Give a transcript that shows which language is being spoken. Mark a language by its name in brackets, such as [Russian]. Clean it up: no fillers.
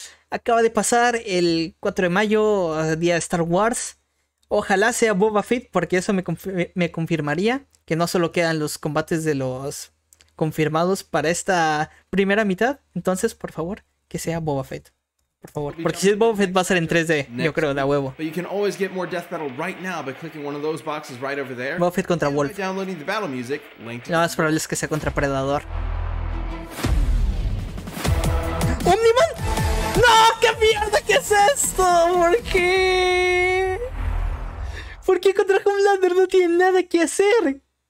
[Spanish] Acaba de pasar el 4 de mayo, día de Star Wars. Ojalá sea Boba Fett, porque eso me confirmaría que no solo quedan los combates de los confirmados para esta primera mitad. Entonces, por favor, que sea Boba Fett. Por favor, porque si es Boba Fett va a ser en 3D, yo creo, de a huevo. [English] But you can always get more death battle right now by clicking one of those boxes right over there. [Spanish] Boba Fett contra Wolf. [English] Downloading the battle music, [Spanish] lo más probable es que sea contra Predador. ¿Omniman? ¡No! ¡Qué mierda! ¿Qué es esto? ¿Por qué? ¿Por qué contra Homelander no tiene nada que hacer?